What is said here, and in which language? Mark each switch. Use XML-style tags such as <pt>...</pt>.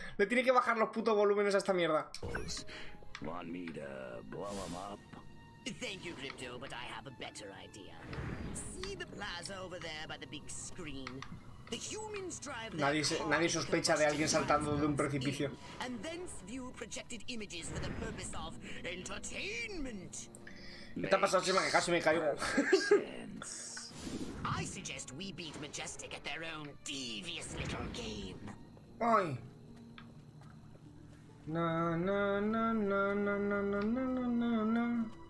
<es>Le tiene que bajar los putos volúmenes a esta mierda.</es> <en>Want me to blow him up? Thank you, Crypto, but I have a better idea. See the plaza over there by the big screen? The humans drive their cars.</en> <es>Nadie sospecha de alguien saltando de un precipicio.</es> <en>And then view projected images for the purpose of entertainment.</en> <es>¿Qué te ha pasado, Chema? Que casi me caigo.</es> <en>I suggest we beat Majestic at their own devious little game. Ay. Na na na na na na na na na na na.</en>